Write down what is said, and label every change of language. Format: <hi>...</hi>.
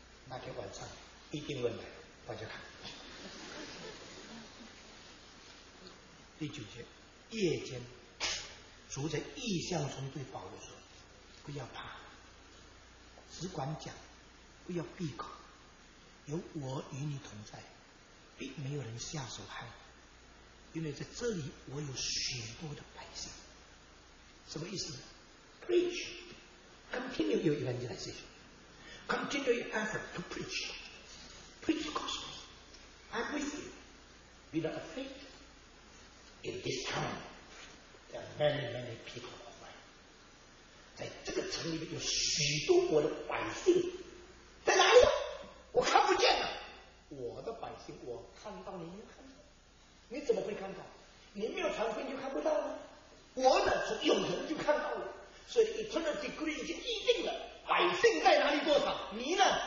<zh>那天晚上一定会来，大家看第九节，夜间主在异象中对保罗说，不要怕，只管讲，不要闭口，有我与你同在，并没有人下手害你，因为在这里我有许多的百姓。什么意思呢？</zh> <en>Preach， continue your evangelization， continue your effort to preach， preach the gospel， I'm with you， be not afraidIn this town, there are many, many people of mine.</en> <zh>在这个城里面有许多我的百姓，在哪里？我看不见了。我的百姓，我看到你，你看到？你怎么会看到？你没有传福音就看不到了。我呢，是有人就看到了。所以 eternal decree 已经议定了，百姓在哪里多少？你呢？</zh>